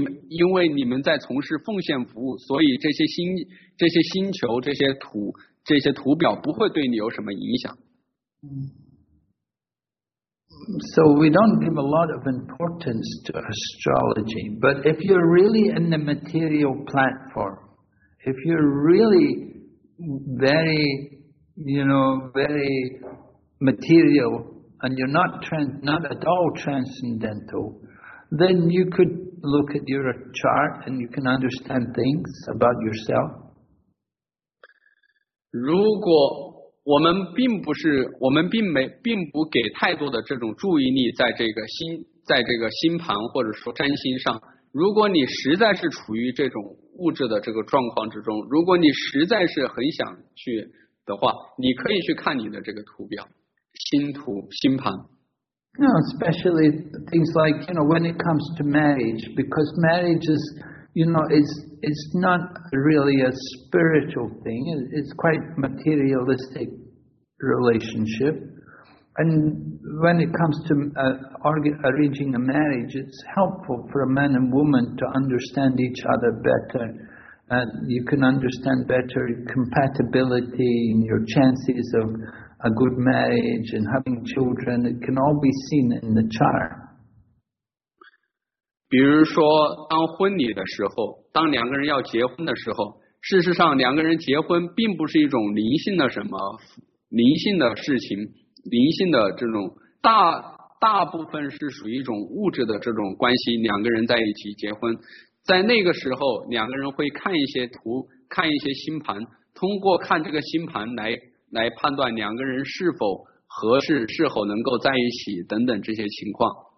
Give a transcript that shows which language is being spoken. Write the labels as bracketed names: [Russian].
[Chinese] 因为你们在从事奉献服务，所以这些星球、这些图表不会对你有什么影响。 [English] So we don't give a lot of importance to astrology, but if you're really in the material platform, if you're really very, you know, very material, and you're not at all transcendental, then you could look at your chart and you can understand things about yourself. [Chinese] 如果我们并不是，我们并没，并不给太多的这种注意力在这个星，在这个星盘或者说占星上。如果你实在是处于这种物质的这个状况之中，如果你实在是很想去的话，你可以去看你的这个图表、星图、星盘。 [English] No, especially things like, you know, when it comes to marriage, because marriage is, you know, it's not really a spiritual thing. It's quite materialistic relationship. And when it comes to arranging a marriage, it's helpful for a man and woman to understand each other better. And you can understand better compatibility and your chances of a good marriage and having children. It can all be seen in the chart. [Chinese] 比如说当婚礼的时候，当两个人要结婚的时候，事实上两个人结婚并不是一种灵性的什么灵性的事情，灵性的这种大部分是属于一种物质的这种关系，两个人在一起结婚，在那个时候两个人会看一些图，看一些星盘，通过看这个星盘来判断两个人是否合适，是否能够在一起等等这些情况。